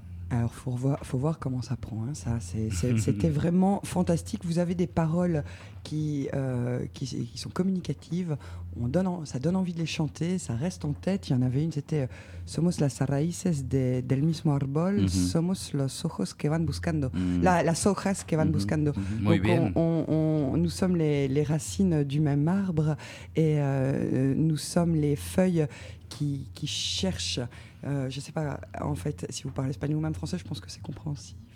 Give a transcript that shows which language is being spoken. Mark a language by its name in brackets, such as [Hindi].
[French] Alors, faut voir comment ça prend. Hein, ça. C'était vraiment fantastique. Vous avez des paroles qui sont communicatives. Ça donne envie de les chanter. Ça reste en tête. Il y en avait une, c'était « [Spanish] Somos las raíces del mismo árbol. Mm-hmm. Somos los ojos que van buscando. Mm-hmm. Las hojas que van mm-hmm. buscando. Mm-hmm. » [French] Donc, nous sommes les racines du même arbre et nous sommes les feuilles qui cherchent. Je ne sais pas, en fait, si vous parlez espagnol ou même français, je pense que c'est compréhensif.